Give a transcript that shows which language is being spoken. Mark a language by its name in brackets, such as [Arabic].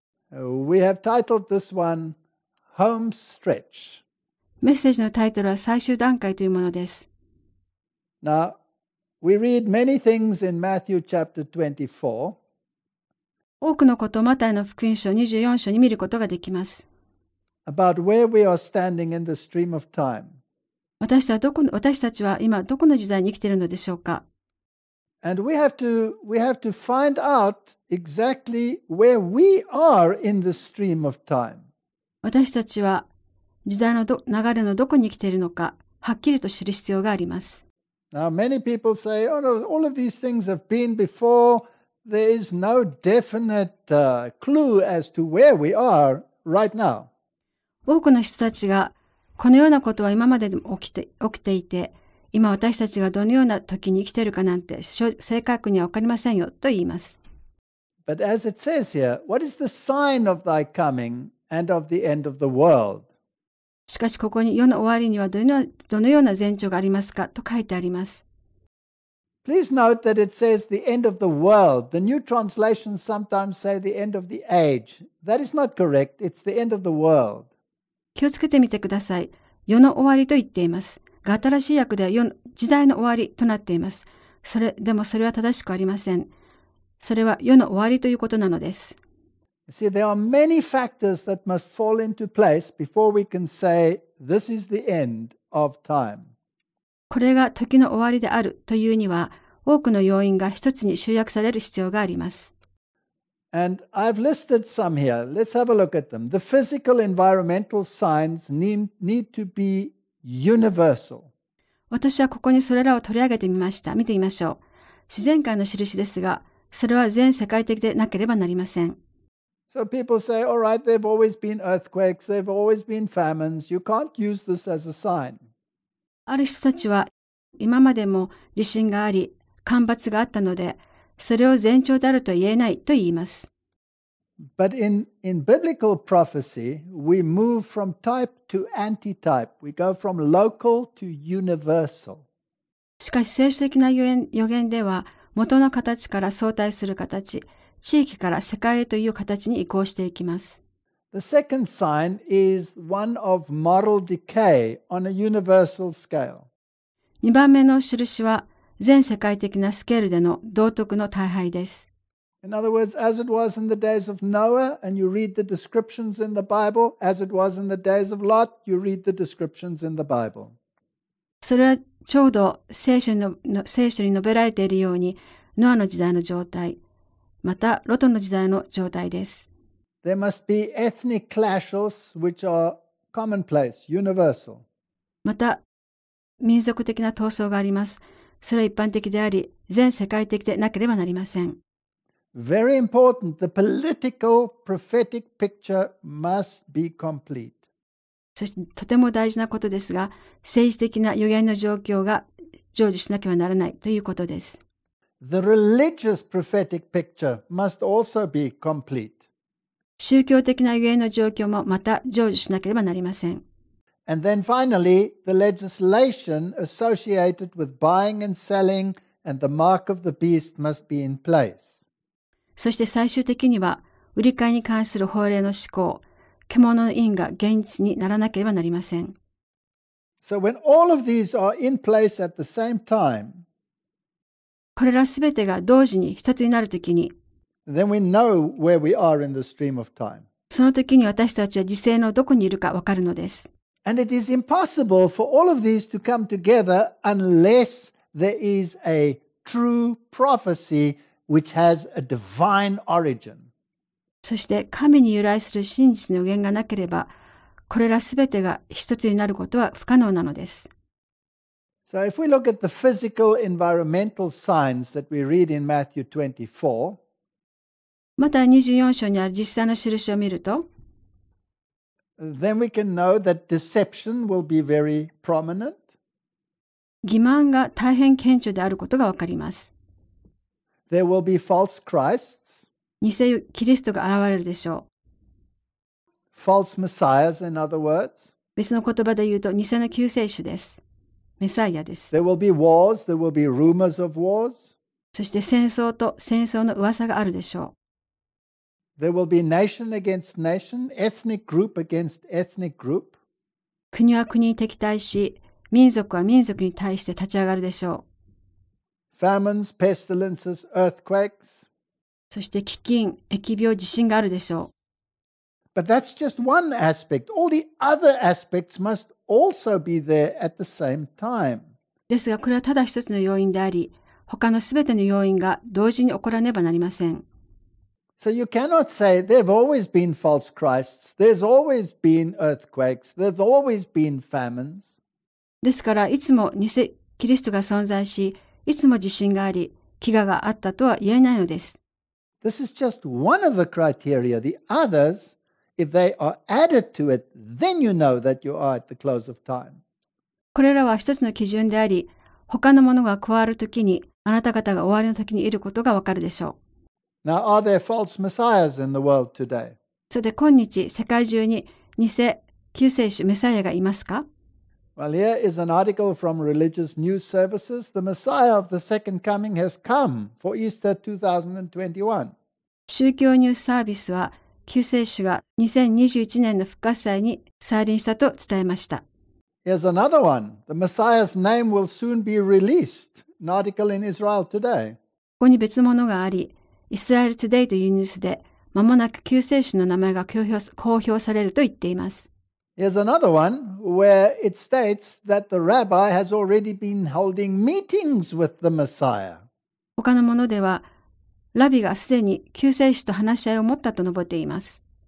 [English] We have titled this one, Home Stretch. [Japanese] メッセージのタイトルは最終段階というものです。 [English] Now, we read many things in Matthew chapter 24. [Japanese] 多くのことをマタイの福音書24章に見ることができます。 [English] About where we are standing in the stream of time. [Japanese] 私たちは今どこの時代に生きているのでしょうか。 [English] And we have to find out exactly where we are in the stream of time. [Japanese] 私たちは時代の流れのどこに生きているのか、はっきりと知る必要があります。 [English] Now many people say, oh no, all of these things have been before. There is no definite clue as to where we are right now. [Japanese] 多くの人たちがこのようなことは今までも起きていて、今私たちがどのような時に生きているかなんて正確には分かりませんよと言います。 [English] But as it says here, what is the sign of thy coming and of the end of the world? [Japanese] しかしここに世の終わりにはどのような前兆がありますかと書いてあります。 [English] Please note that it says the end of the world. The new translations sometimes say the end of the age. That is not correct. It's the end of the world. [Japanese] 気をつけてみてください。世の終わりと言っています。が、新しい訳では時代の終わりとなっています。それでもそれは正しくありません。それは世の終わりということなのです。 [English] See, there are many factors that must fall into place before we can say this is the end of time. [Japanese] これが時の終わりであるというには、多くの要因が一つに集約される必要があります。 [English] And I've listed some here. Let's have a look at them. The physical environmental signs need to be universal. [Japanese] 私はここにそれらを取り上げてみました。見てみましょう。自然界の印ですが、それは全世界的でなければなりません。 [English] So people say, all right, there've always been earthquakes, there've always been famines. You can't use this as a sign. [Japanese] ある人たちは、今までも地震があり、干ばつがあったので、それを前兆であると言えないと言います。 [English] But in biblical prophecy, we move from type to anti-type. We go from local to universal. [Japanese] しかし、聖書的な予言では、元の形から相対する形、地域から世界へという形に移行していきます。 [English] The second sign is one of moral decay on a universal scale. [Japanese] 2番目の印は、全世界的なスケールでの道徳の大敗です。 [English] In other words, as it was in the days of Noah, and you read the descriptions in the Bible, as it was in the days of Lot, you read the descriptions in the Bible. [Japanese] それはちょうど聖書に述べられているように、ノアの時代の状態、またロトの時代の状態です。 [English] There must be ethnic clashes which are commonplace, universal. [Japanese] また、民族的な闘争があります。それは一般的であり、全世界的でなければなりません。 [English] Very important. The political prophetic picture must be complete. [Japanese] そしてとても大事なことですが、政治的な予言の状況が成就しなければならないということです。 [English] The religious prophetic picture must also be complete. [Japanese] 宗教的な予言の状況もまた成就しなければなりません。 [English] And then finally, the legislation associated with buying and selling and the mark of the beast must be in place. [Japanese] そして最終的には、売り買いに関する法令の施行、獣の印が現実にならなければなりません。 [English] So when all of these are in place at the same time, [Japanese] これらすべてが同時に一つになるときに、 [English] then we know where we are in the stream of time. [Japanese] そのときに私たちは時勢のどこにいるかわかるのです。 [English] And it is impossible for all of these to come together unless there is a true prophecy which has a divine origin. [Japanese] そして神に由来する真実の源がなければ、これらすべてが一つになることは不可能なのです。 [English] So if we look at the physical environmental signs that we read in Matthew 24, [Japanese] また24章にある実際の印を見ると、 [English] Then we can know that deception will be very prominent. [Japanese] 欺瞞が大変顕著であることがわかります。 [English] There will be false Christs. [Japanese] 偽キリストが現れるでしょう。 [English] False Messiahs, in other words. [Japanese] 別の言葉で言うと、偽の救世主です。メサイアです。 [English] There will be wars. There will be rumors of wars. [Japanese] そして戦争と戦争の噂があるでしょう。 [English] There will be nation against nation, ethnic group against ethnic group. [Japanese] 国は国に敵対し、民族は民族に対して立ち上がるでしょう。 [English] Famines, pestilences, earthquakes. [Japanese] そして飢饉、疫病、地震があるでしょう。 [English] But that's just one aspect. All the other aspects must also be there at the same time. [Japanese] ですが、これはただ一つの要因であり、他のすべての要因が同時に起こらねばなりません。 [English] So you cannot say there've always been false Christs. There's always been earthquakes. There've always been famines. [Japanese] ですから、いつも偽キリストが存在し、いつも地震があり、飢餓があったとは言えないのです。 [English] This is just one of the criteria. The others, if they are added to it, then you know that you are at the close of time. [Japanese] これらは一つの基準であり、他のものが加わるときに、あなた方が終わりのときにいることがわかるでしょう。 [English] Now, are there false messiahs in the world today? [Japanese] そで今日世界中に偽救世主メサイアがいますか? [English] Well, here is an article from Religious News Services. The Messiah of the Second Coming has come for Easter 2021. [Japanese] 宗教ニュースサービスは救世主が2021年の復活祭に再臨したと伝えました。 [English] Here's another one. The Messiah's name will soon be released. An article in Israel today. [Japanese] ここに別物があり、イスラエルトゥデイというニュースで、まもなく救世主の名前が公表されると言っています。 [English] Here's another one where it states that the rabbi has already been holding meetings with the Messiah. [Japanese] 他のものでは、ラビがすでに救世主と話し合いを持ったと述べています。